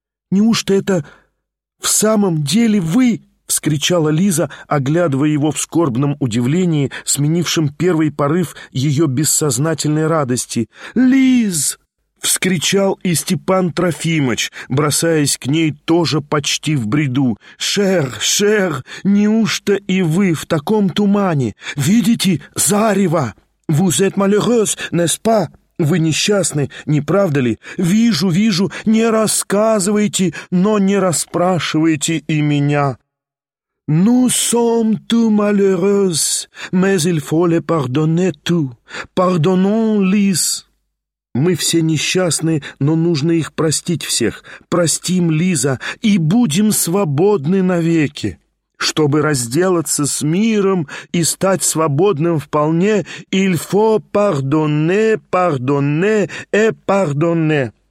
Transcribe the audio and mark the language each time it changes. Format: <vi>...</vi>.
<ru>«Неужто это в самом деле вы?» — вскричала Лиза, оглядывая его в скорбном удивлении, сменившем первый порыв ее бессознательной радости. «Лиз!» Вскричал и Степан Трофимыч, бросаясь к ней тоже почти в бреду. «Шер, шер, неужто и вы в таком тумане? Видите зарево?</ru> <fr>Vous êtes malheureux, n'est-ce pas?</fr> <ru>Вы несчастны, не правда ли? Вижу, вижу, не рассказывайте, но не расспрашивайте и меня».</ru> <fr>«Nous sommes tous malheureux, mais il faut le pardonner tout. Pardonnons, Lis».</fr> <ru>«Мы все несчастны, но нужно их простить всех. Простим, Лиза, и будем свободны навеки. Чтобы разделаться с миром и стать свободным вполне,</ru> <fr>il faut pardonner, pardonner et pardonner.</fr>